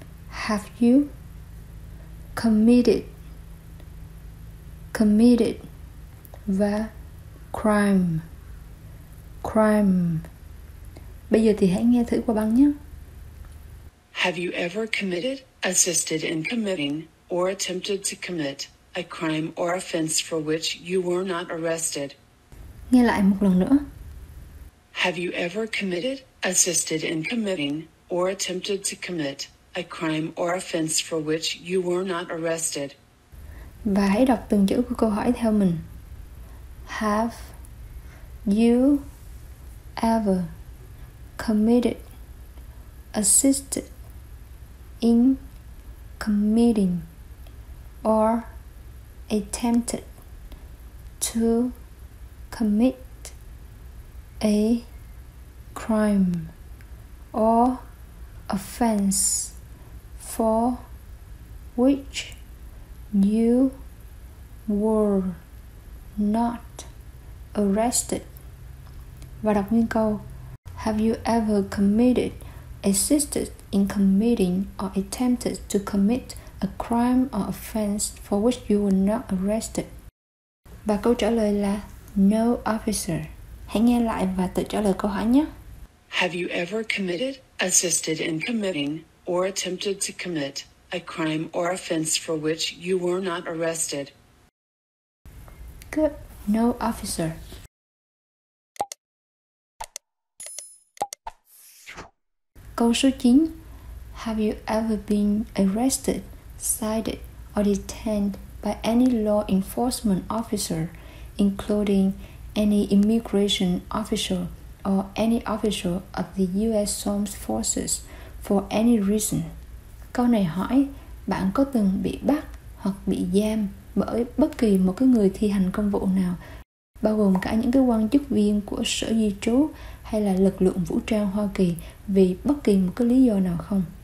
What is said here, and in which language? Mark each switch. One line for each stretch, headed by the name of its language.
English: Have you committed và crime.
Vietnamese: Bây giờ thì hãy nghe thử qua băng nhé.
English: Have you ever committed, assisted in committing, or attempted to commit a crime or offense for which you were not arrested?
Vietnamese: Nghe lại một lần nữa.
English: Have you ever committed, assisted in committing, or attempted to commit a crime or offense for which you were not arrested?
Vietnamese: Và hãy đọc từng chữ của câu hỏi theo mình.
English: Have you ever committed, assisted in committing or attempted to commit a crime or offense for which you were not arrested?
Vietnamese: Và đọc nguyên câu.
English: Have you ever committed, assisted in committing or attempted to commit a crime or offense for which you were not arrested?
Vietnamese: Và câu trả lời là
English: no, officer.
Vietnamese: Hãy nghe lại và tự trả lời câu hỏi nhé.
English: Have you ever committed, assisted in committing or attempted to commit a crime or offense for which you were not arrested? Good. No, officer.
Vietnamese: Câu số 9.
English: Have you ever been arrested, cited, or detained by any law enforcement officer, including any immigration official or any official of the U.S. Armed Forces, for any reason?
Vietnamese: Câu này hỏi bạn có từng bị bắt hoặc bị giam bởi bất kỳ một cái người thi hành công vụ nào, bao gồm cả những cái quan chức viên của Sở Di trú hay là lực lượng vũ trang Hoa Kỳ, vì bất kỳ một cái lý do nào không?